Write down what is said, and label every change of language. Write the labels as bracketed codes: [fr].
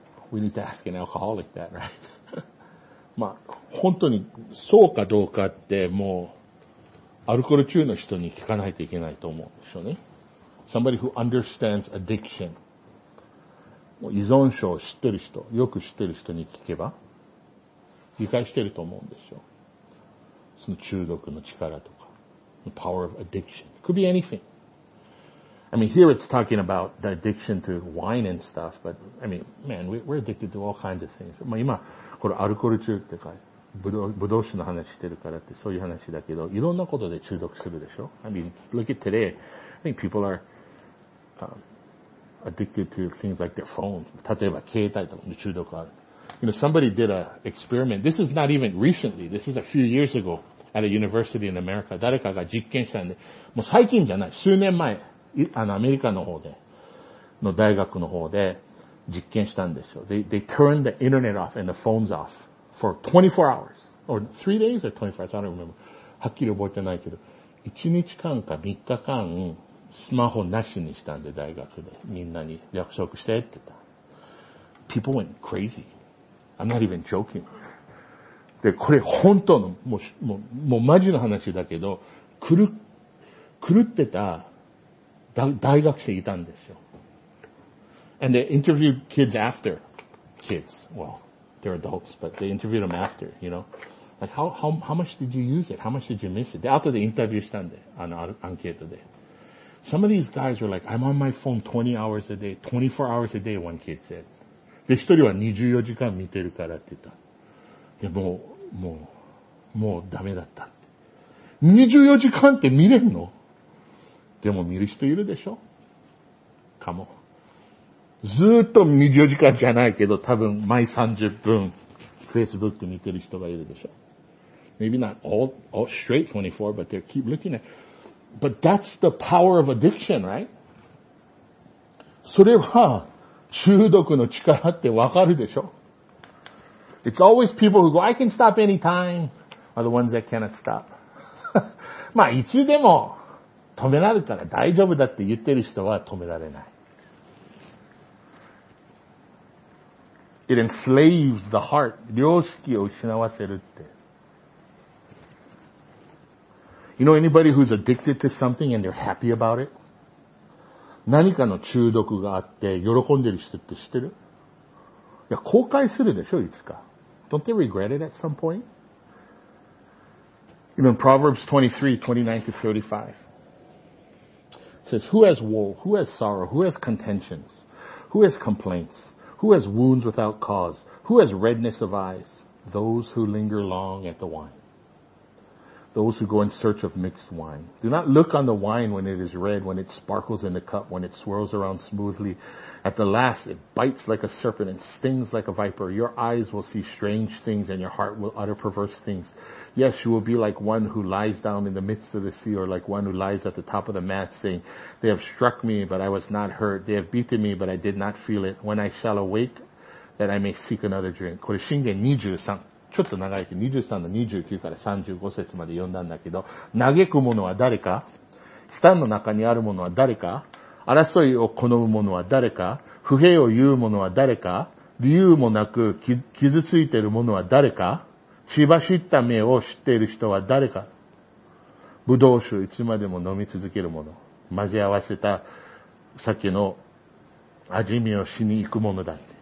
[en] we need to ask an alcoholic that, right? [ja] まあ、本当にそうかどうかってもう、アルコール中の人に聞かないといけないと思うんでしょうね。 [en] Somebody who understands addiction. [ja] 依存症を知ってる人、よく知ってる人に聞けば、理解してると思うんですよ。その中毒の力とか。 [en] The power of addiction. It could be anything. I mean, here it's talking about the addiction to wine and stuff, but I mean, man, we're addicted to all kinds of things. [ja] まあ今、これアルコール中ってか、ブドウ酒の話してるからってそういう話だけど、いろんなことで中毒するでしょ。 [en] I mean, look at today. I think people are, addicted to things like their phone. [ja] 例えば携帯とかの中毒ある。 [en] You know, somebody did an experiment. This is not even recently. This is a few years ago at a university in America. [ja] 誰かが実験したんで、もう最近じゃない。数年前、あのアメリカの方で、の大学の方で実験したんですよ。 [en] They turned the internet off and the phones off for 24 hours. Or 3 days or 24 hours. I don't remember. [ja] はっきり覚えてないけど、1日間か3日間、スマホなしにしたんで、大学で。みんなに約束してって言った。 [en] People went crazy. I'm not even joking. [ja] で、これ本当の、もうマジの話だけど、狂ってた大学生いたんですよ。 [en] And they interviewed kids after. Kids. Well, they're adults, but they interviewed them after, you know. Like, how much did you use it? How much did you miss it? After they interviewed [ja] したんで、あの、アンケートで。 [en] Some of these guys were like, I'm on my phone 20 hours a day, 24 hours a day, one kid said. [ja] で、一人は24時間見てるからって言った。いや、もうダメだったって。 24時間って見れるの? でも見る人いるでしょ? かも。ずーっと24時間じゃないけど、多分毎30分、Facebook 見てる人がいるでしょ。 [en] Maybe not all straight 24, but they keep looking at it. But that's the power of addiction, right? [ja] それは、中毒の力ってわかるでしょ? [en] It's always people who go, I can stop anytime, are the ones that cannot stop. [ja] まあ、いつでも止められたら大丈夫だって言ってる人は止められない。 [en] It enslaves the heart. [ja] 良識を失わせるって。 [en] You know anybody who's addicted to something and they're happy about it? [ja] 何かの中毒があって喜んでる人って知ってる? いや、後悔するでしょ、いつか。 [en] Don't they regret it at some point? Even Proverbs 23:29-35 says, Who has woe? Who has sorrow? Who has contentions? Who has complaints? Who has wounds without cause? Who has redness of eyes? Those who linger long at the wine. Those who go in search of mixed wine. Do not look on the wine when it is red, when it sparkles in the cup, when it swirls around smoothly. At the last, it bites like a serpent and stings like a viper. Your eyes will see strange things and your heart will utter perverse things. Yes, you will be like one who lies down in the midst of the sea or like one who lies at the top of the mast saying, They have struck me, but I was not hurt. They have beaten me, but I did not feel it. When I shall awake, that I may seek another drink. [ja] これ信玄23。ちょっと長いけど、23の29から35節まで読んだんだけど、嘆くものは誰か、舌の中にあるものは誰か、争いを好むものは誰か、不平を言うものは誰か、理由もなく傷ついているものは誰か、血走った目を知っている人は誰か、葡萄酒いつまでも飲み続けるもの、混ぜ合わせた酒の味見をしに行くものだって。